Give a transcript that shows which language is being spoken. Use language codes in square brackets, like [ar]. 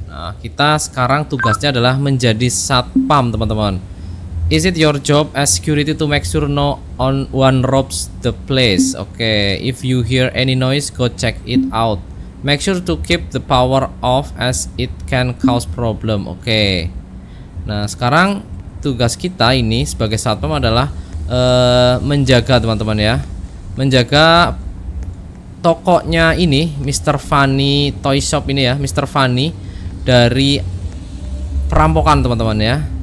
[id] Nah, kita sekarang tugasnya adalah menjadi satpam teman-teman. [en] Is it your job as security to make sure no one robs the place? Oke, if you hear any noise, go check it out. Make sure to keep the power off as it can cause problem. Oke. [id] Nah, sekarang tugas kita ini sebagai satpam adalah menjaga teman-teman ya. Menjaga tokonya ini, Mr. Funny Toy Shop ini ya, Mr. Funny, dari perampokan teman-teman ya.